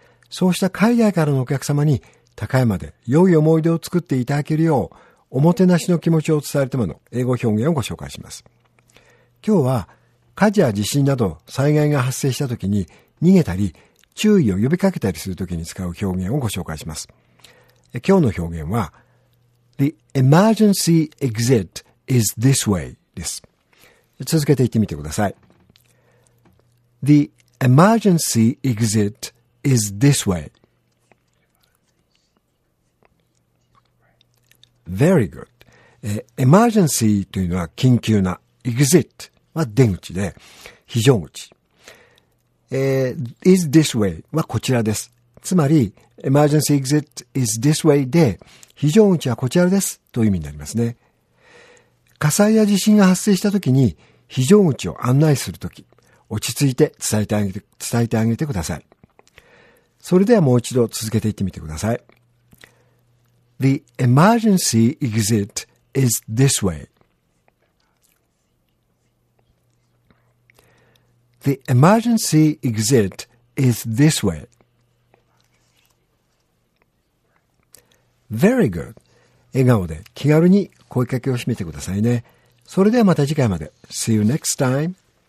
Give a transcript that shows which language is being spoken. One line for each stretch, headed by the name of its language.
Japanese: そうした海外からのお客様に高山で良い思い出を作っていただけるよう、おもてなしの気持ちを伝えるための英語表現をご紹介します。今日は火事や地震など災害が発生した時に逃げたり、注意を呼びかけたりするときに使う表現をご紹介します。今日の表現は
English: The emergency exit is this way
Japanese: です。続けて言ってみてください。
English: The emergency exit is this way. Very good.
Japanese: Emergency というのは緊急な、 exit は出口で、非常口。 Is this way はこちらです。つまり、
English: Emergency exit is this way
Japanese: で、非常口はこちらですという意味になりますね。火災や地震が発生したときに、非常口を案内するとき、落ち着いて伝えてあげてください。それではもう一度続けていってみてください。
English: The emergency exit is this way. The emergency exit is this way. Very good.
Japanese: 笑顔で気軽に声かけをしてみてくださいね。それではまた次回まで。
English: See you next time.